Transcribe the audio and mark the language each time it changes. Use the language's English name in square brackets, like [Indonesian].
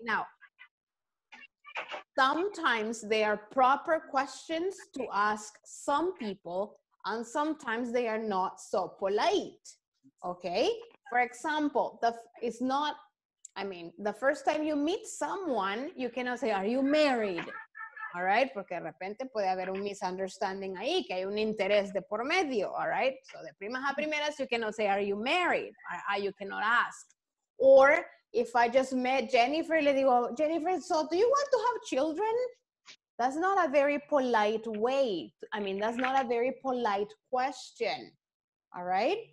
[English] Now, sometimes they are proper questions to ask some people, and sometimes they are not so polite, okay? For example, it's not I mean, the first time you meet someone, you cannot say, are you married? All right, [Spanish] porque de repente puede haber un misunderstanding ahí, que hay un interés de por medio, [English] all right? So [Spanish] de primas a primeras, [English] you cannot say, are you married? You cannot ask. Or if I just met Jennifer, [Spanish] le digo, [English] Jennifer, so do you want to have children? That's not a very polite way. I mean, that's not a very polite question, all right?